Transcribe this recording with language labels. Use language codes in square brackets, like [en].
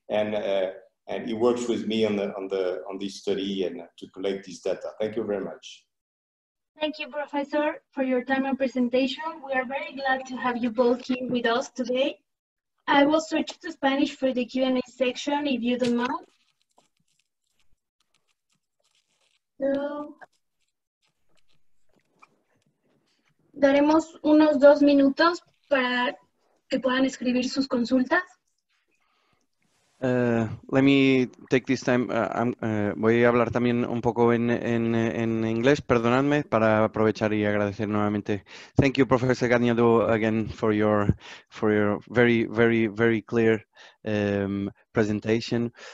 [en] And he works with me on this study and to collect this data. Thank you very much. Thank you, Professor, for your time and presentation. We are very glad to have you both here with us today. I will switch to Spanish for the Q&A section, if you don't mind. [es] So, daremos unos dos minutos para que puedan escribir sus consultas. [en] Let me take this time. [es] Voy a hablar también un poco en inglés, perdonadme, para aprovechar y agradecer nuevamente. [en] Thank you, Professor Gagnado, again for your very, very, very clear presentation.